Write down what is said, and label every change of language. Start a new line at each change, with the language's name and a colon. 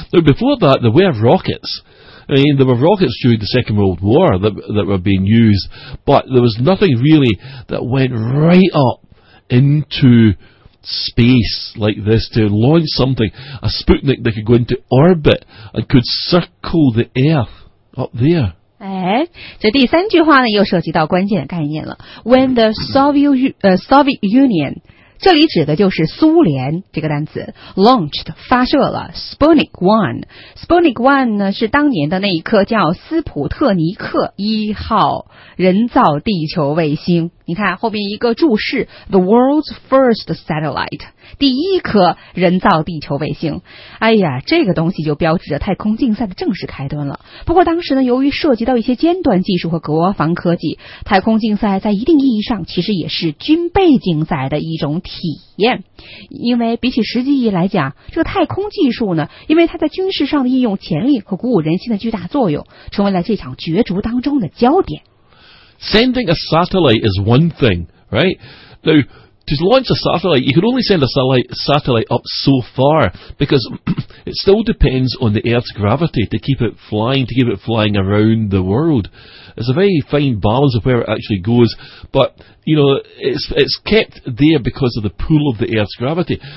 English: Now, before that, there were rockets. I mean, there were rockets during the Second World War that were being used, but there was nothing really that went right up into space like this to launch something, a Sputnik that could go into orbit and could circle the Earth up there.
Chinese: 哎，这第三句话呢又涉及到关键的概念了。
English: When the Soviet Union,
Chinese: 这里指的就是苏联这个单词，
English: launched,
Chinese: 发射了 Sputnik 1. Sputnik 1呢是当年的那一颗叫斯普特尼克一号人造地球卫星。你看后面一个注释，
English: The world's first satellite,
Chinese: 第一颗人造地球卫星。哎呀，这个东西就标志着太空竞赛的正式开端了。不过当时呢，由于涉及到一些尖端技术和国防科技，太空竞赛在一定意义上其实也是军备竞赛的一种体验。因为比起实际意义来讲，这个太空技术呢，因为它在军事上的应用潜力和鼓舞人心的巨大作用，成为了这场角逐当中的焦点。
English: Sending a satellite is one thing, right? Now, to launch a satellite, you can only send a satellite up so far, because it still depends on the Earth's gravity to keep it flying, around the world. It's a very fine balance of where it actually goes, but, you know, it's kept there because of the pull of the Earth's gravity.